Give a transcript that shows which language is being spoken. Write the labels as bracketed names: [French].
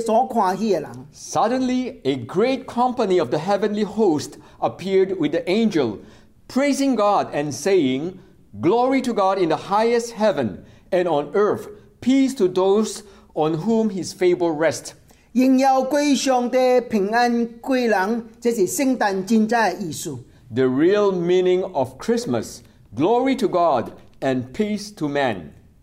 [English] Suddenly, a great company of the heavenly host appeared with the angel, praising God and saying, "Glory to God in the highest heaven and on earth, peace to those on whom his favor rests." [Min Nan Chinese] 荣耀归上帝，平安归人，这是圣诞真正的意思。 [English] The real meaning of Christmas, glory to God and peace to man.